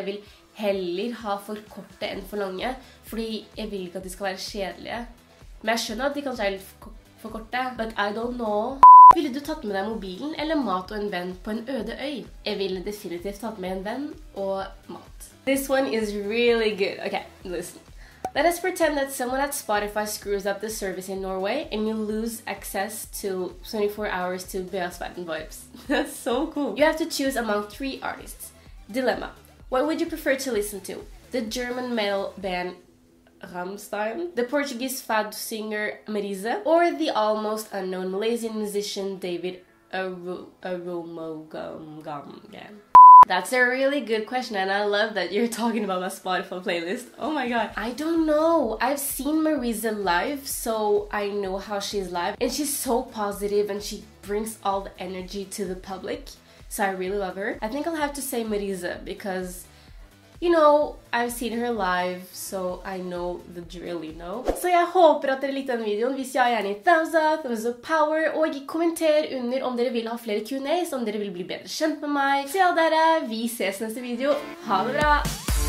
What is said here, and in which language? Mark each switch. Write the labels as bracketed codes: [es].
[no] Jeg vil heller ha for korte enn for lange, fordi jeg vil ikke at de skal være kjedelige. Men jeg skjønner at de kanskje for korte, [en] but I don't know. [no] Ville du tatt med deg mobilen eller mat og en venn på en øde øy? Jeg ville definitivt tatt med en venn og mat. [en] This one is really good. Okay, listen. Let us pretend that someone at Spotify screws up the service in Norway and you lose access to 24 hours to BeasVerden vibes. That's so cool. You have to choose among three artists. Dilemma. What would you prefer to listen to? The German male band Rammstein, the Portuguese fad singer Marisa, or the almost unknown Malaysian musician David Arumugam? That's a really good question, and I love that you're talking about my Spotify playlist. Oh my god. I don't know. I've seen Marisa live, so I know how she's live. And she's so positive, and she brings all the energy to the public. So I really love her. I think I'll have to say Marisa, because, you know, I've seen her live, so I know the drill, you know. [no] Så jeg håper at dere likte denne videoen. Hvis ja, gjerne thumbs up power, og kommenter under om dere vil ha flere Q&A, om dere vil bli bedre kjent med meg. Så ja, dere, vi ses neste video. Ha det bra!